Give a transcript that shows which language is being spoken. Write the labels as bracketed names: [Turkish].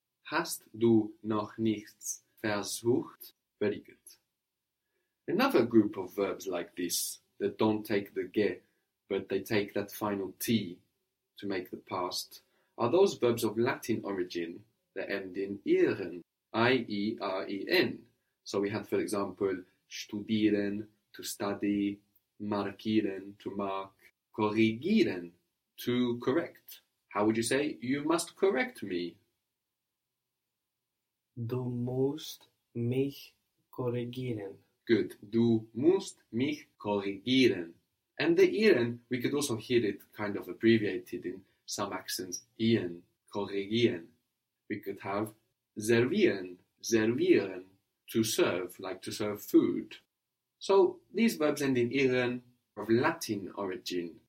[German] Hast du noch nichts versucht? [English] Very good. Another group of verbs like this, that don't take the ge, but they take that final T to make the past, are those verbs of Latin origin that end in ieren, I-E-R-E-N. So we had, for example, studieren, to study, markieren, to mark, korrigieren, to correct. How would you say, you must correct me? [German] Du musst mich korrigieren. [English] Good. [German] Du musst mich korrigieren. [English] And the ihren, we could also hear it kind of abbreviated in some accents. Ihren, korrigieren. We could have servieren, servieren, to serve, like to serve food. So these verbs end in ihren of Latin origin.